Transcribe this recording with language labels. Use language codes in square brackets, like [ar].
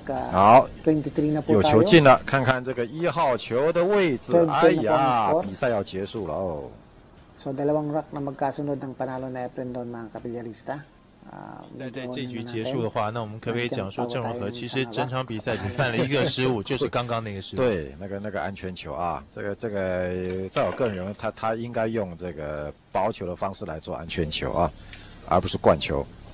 [zh] 好，有球进了，看看这个一号球的位置。哎呀，比赛要结束了哦。 [tl] So dalawang rack na magkasunod ng panalo na Efren doon mga kapilyarista. [zh] 在这局结束的话，那我们可不可以讲说郑容和其实整场比赛只犯了一个失误，就是刚刚那个失误。对，那个安全球啊，这个在我个人认为，他应该用这个保球的方式来做安全球啊，而不是灌球。